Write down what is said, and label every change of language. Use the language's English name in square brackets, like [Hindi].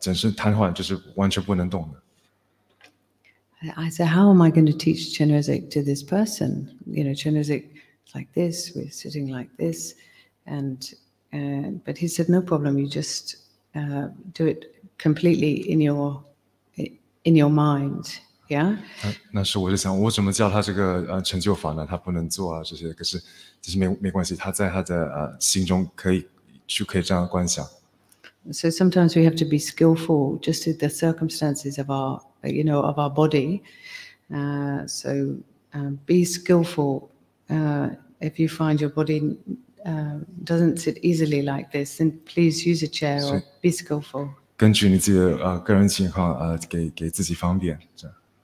[Chinese] 我一次遇到一个人，他整身瘫痪，就是完全不能动的。 [English] I said, how am I going to teach Chenrezig to this person? You know, Chenrezig like this, we're sitting like this. But he said, no problem, you just do it completely in your mind. [Chinese] Yeah,那是我就想，我怎么教他这个成就法呢？他不能做啊，这些。可是没关系，他在他的心中可以这样观想。So [English] sometimes we have to be skillful, just to the circumstances of our, you know, of our body. Be skillful. If you find your body doesn't sit easily like this, then please use a chair or be skillful. [Chinese] 根据你自己的个人情况，给自己方便这样。